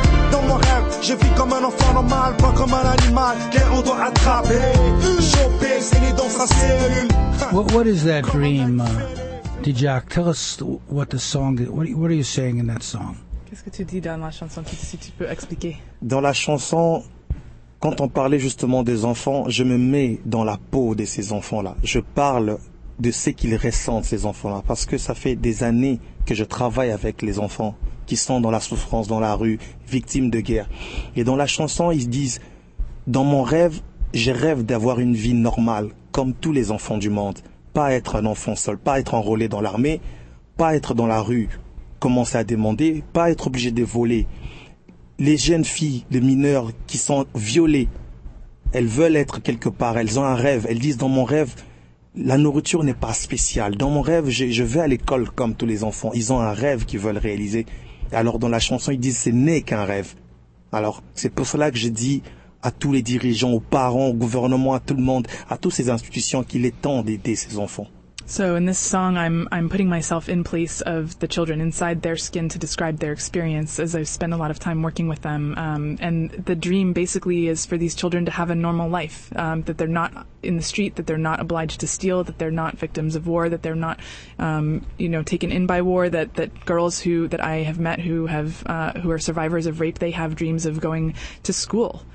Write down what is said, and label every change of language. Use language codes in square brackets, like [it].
[fr] Dans mon rêve, je vis comme un enfant normal, pas comme un animal qu'on doit attraper. Choper, saigner dans sa cellule. [en] What is that dream, Djack? Tell us what the song is. What are you saying in that song? [fr] Qu'est-ce que tu dis dans la chanson, si tu peux expliquer? Dans la chanson, quand on parlait justement des enfants, je me mets dans la peau de ces enfants-là. Je parle de ce qu'ils ressentent, ces enfants-là, parce que ça fait des années que je travaille avec les enfants qui sont dans la souffrance, dans la rue, victimes de guerre. Et dans la chanson, ils disent, dans mon rêve, je rêve d'avoir une vie normale, comme tous les enfants du monde. Pas être un enfant seul, pas être enrôlé dans l'armée, pas être dans la rue, commencer à demander, pas être obligé de voler. Les jeunes filles, les mineurs qui sont violées, elles veulent être quelque part, elles ont un rêve. Elles disent, dans mon rêve, la nourriture n'est pas spéciale. Dans mon rêve, je vais à l'école comme tous les enfants. Ils ont un rêve qu'ils veulent réaliser. Alors dans la chanson, ils disent, ce n'est qu'un rêve. Alors c'est pour cela que je dis à tous les dirigeants, aux parents, au gouvernement, à tout le monde, à toutes ces institutions, qu'il est temps d'aider ces enfants. [en] So in this song, I'm putting myself in place of the children, inside their skin, to describe their experience, as I've spent a lot of time working with them. And the dream basically is for these children to have a normal life, that they're not in the street, that they're not obliged to steal, that they're not victims of war, that they're not, taken in by war, that girls that I have met who are survivors of rape, they have dreams of going to school.